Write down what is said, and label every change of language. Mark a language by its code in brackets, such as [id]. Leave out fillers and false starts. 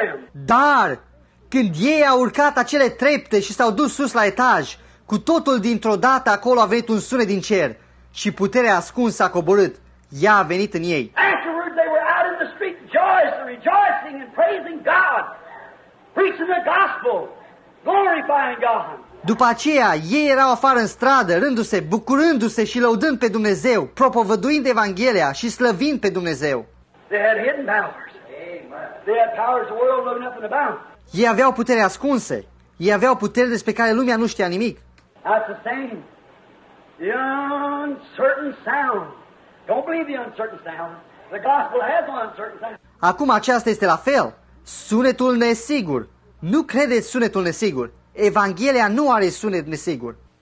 [ro] Dar când ei au urcat acele trepte și s-au dus sus la etaj, cu totul dintr-o dată acolo a venit un sunet din cer și puterea ascunsă a coborât. Ea a venit în ei. [en] Afterward they were out in the street rejoicing and praising God, preaching the gospel, glorifying God. [ro] După aceea, ei erau afară în stradă, rându-se, bucurându-se și lăudând pe Dumnezeu, propovăduind Evanghelia și slăvind pe Dumnezeu. [en] They had hidden powers. They had powers the world knew nothing about. [ro] Ei aveau putere ascunse. Ei aveau puteri despre care lumea nu știa nimic. [en] That's the same. The uncertain sound. Don't believe the uncertain sound. The gospel has an uncertain sound. [ro] Acum aceasta este la fel. Sunetul nesigur. Nu credeți sunetul nesigur. Evanghelia nu are sunet nesigur.